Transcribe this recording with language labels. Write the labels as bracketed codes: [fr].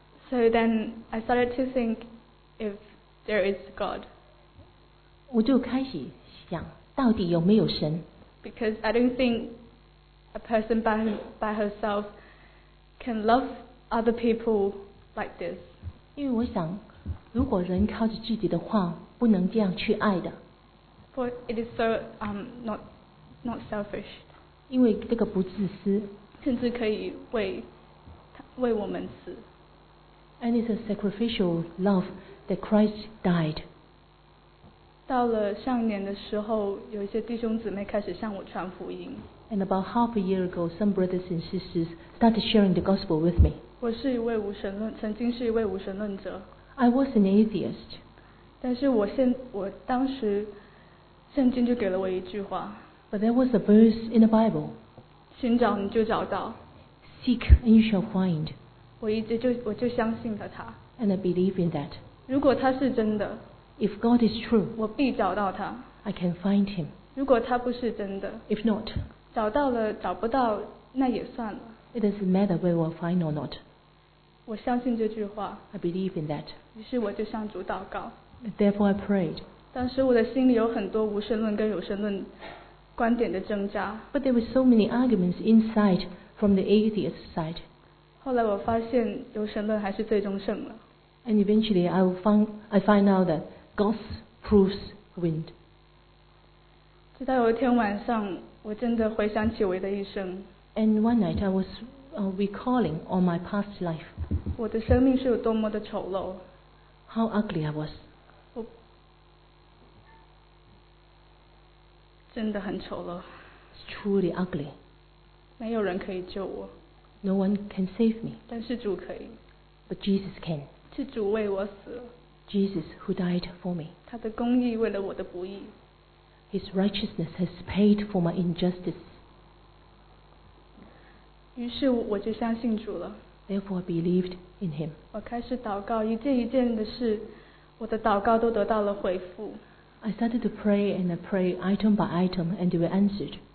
[en] So then I started to think if there is God. [zh] 我就开始想到底有没有神。 [en] Because I don't think a person by herself can love other people like this. [zh] 因为我想如果人靠着自己的话不能这样去爱的。 [en] For it is so not selfish. [zh] 因为这个不自私。甚至可以为我们死。 [en] And it's a sacrificial love that Christ died. [zh] 到了上年的时候，有一些弟兄姊妹开始向我传福音。 [en] And about half a year ago, some brothers and sisters started sharing the gospel with me. [zh] 我是一位无神论，曾经是一位无神论者。 [en] I was an atheist. [zh] 但是我当时圣经就给了我一句话。 [en] But there was a verse in the Bible. [zh] 寻找你就找到。 [en] Seek and you shall find. [zh] 我就相信了他。 [en] And I believe in that. [zh] 如果他是真的。 [en] If God is true, [zh] 我必找到他。 [en] I can find him. [zh] 如果他不是真的， [en] if not, [zh] 找到了找不到那也算了。 [en] It doesn't matter whether we'll find or not. [zh] 我相信这句话。 [en] I believe in that. [zh] 于是我就向主祷告。 [en] Therefore, I prayed. [zh] 当时我的心里有很多无神论跟有神论观点的挣扎。 [en] But there were so many arguments inside from the atheist side. [zh] 后来我发现有神论还是最终胜了。 [en] And eventually, I find out that God proves wind. [zh] 直到有一天晚上，我真的回想起我的一生。 [en] And one night, I was recalling all my past life. [zh] 我的生命是有多么的丑陋。 [en] How ugly I was. [zh] 我真的很丑陋。 [en] It's truly ugly. [zh] 没有人可以救我。 [en] No one can save me. [zh] 但是主可以。 [en] But Jesus can. [zh] 是主为我死了。 [en] Jesus who died for me. [zh] 他的公义为了我的不义。 [en] His righteousness has paid for my injustice. [zh] 于是我就相信主了。 [en] Therefore I believed in him. [zh] 我开始祷告，一件一件的事，我的祷告都得到了回复。 [en] I started to pray and I pray item by item and they were answered.